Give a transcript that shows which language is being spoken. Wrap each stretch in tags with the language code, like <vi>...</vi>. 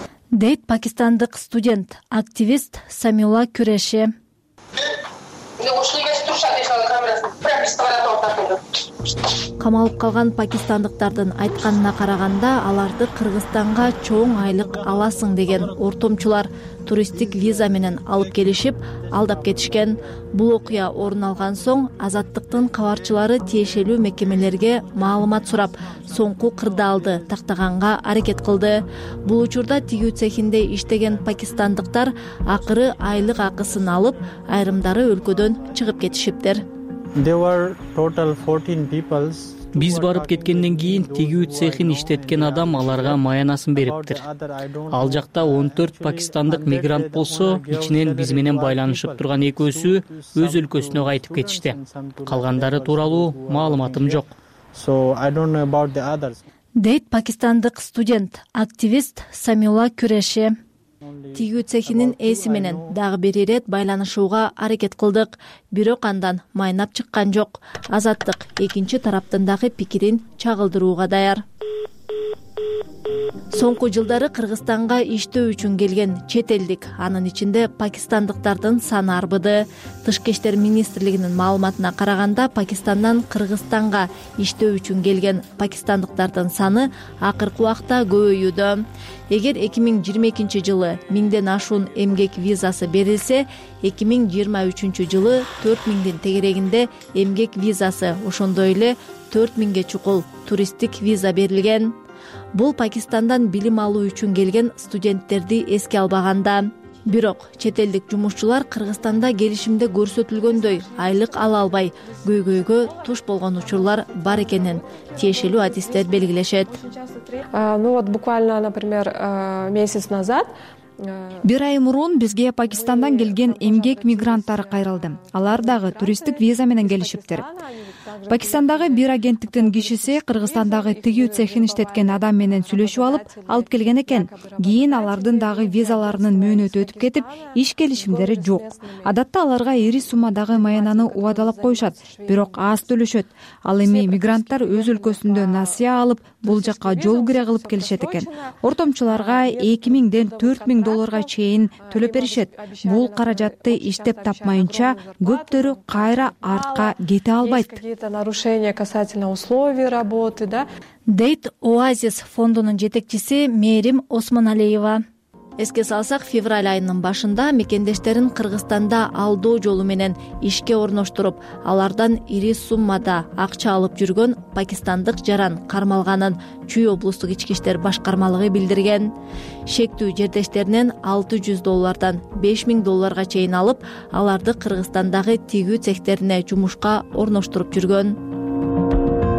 <ky>Дейт пакистандык студент, активист Самилла Күрэши. Камалып калган пакистандыктардын айтканына караганда, аларды Кыргызстанга чоң айлык аласың деген ортомчулар туристтик виза менен алып келишип, алдап кетишкен. Бул окуя орун алган соң, азаттыктын кабарчылары тиешелүү мекемелерге маалымат сурап, соңку кырдаалды тактаганга аракет кылды. Бул учурда тигүү цехинде иштеген пакистандыктар акыры айлык акысын алып, айрымдары өлкөдөн чыгып кетишиптир.</ky> <en>There were total 14 people.</en> <ky>Биз барып кеткенден кийин тигүү цехин иштеткен адам аларга маянасын бериптир. Ал жакта 14 пакистандык мигрант болсо, ичинен биз менен байланышып турган экөөсү өз өлкөсүнө кайтып кетишти. Калгандары тууралуу маалыматым жок.</ky> <en>So I don't know about the others.</en> <ky>Дейт пакистандык студент, активист Самилла Күрэши. Тигүү цехинин ээси менен дагы бир ирет байланышууга аракет кылдык, бирок андан майнап чыккан жок. Азаттык экинчи тараптын дагы пикирин чагылдырууга даяр. Соңку жылдары Кыргызстанга иштөө үчүн келген чет элдик, анын ичинде пакистандыктардын саны арбыды. Тышкы иштер министрлигинин маалыматына караганда, Пакистандан Кыргызстанга иштөө үчүн келген пакистандыктардын саны акыркы убакта көбөйүүдө. Эгер 2022 жылы 1000 ашуун эмгек визасы берилсе, 2023 жылы 4000 тегерегинде эмгек визасы, ошондой эле 4000 чукул туристтик виза берилген. Бул Пакистандан билим алуу үчүн келген студенттерди эске албаганда. Бирок чет элдик жумушчулар Кыргызстанда келишимде көрсөтүлгөндөй айлык ала албай көйгөйгө туш болгон учурлар бар экенин тиешелүү адистер белгилешет.</ky> <ru>Буквально, например, месяц назад.</ru> <ky>Бир ай мурун бизге Пакистандан келген эмгек мигранттары кайрылды. Алар дагы туристтик виза менен келишиптир. Пакистандагы бир агенттиктин кишиси Кыргызстандагы тигүү цехин иштеткен адам менен сүйлөшүп алып, алып келген экен. Кийин алардын дагы визаларынын мөөнөтү өтүп кетип, иш келишимдери жок. Адатта аларга ири суммадагы маянаны убадалап коюшат, бирок аз төлөшөт. Ал эми мигранттар өз өлкөсүндө насыя алып, бул жакка жол кире кылып келишет экен. Ортомчуларга 2000 4000 долларга чейин төлөп беришет. Бул каражатты иштеп тапмайынча көптөрү кайра артка кете албайт.</ky> <ru>Это нарушение касательно условий работы, да?</ru> <ky>Дейт Оазис фондунун жетекчиси Мэрим Осмоналиева. Эске салсак, февраль айынын башында мекендештерин Кыргызстанда алдоо жолу менен ишке орноштуруп, алардан ири суммада акча алып жүргөн пакистандык жаран кармалганын Чүй облустук ички иштер башкармалыгы билдирген. Шектүү жердештеринен 600 доллардан 5000 долларга чейин алып, аларды Кыргызстандагы тигүү цехтерине жумушка орноштуруп жүргөн.</ky>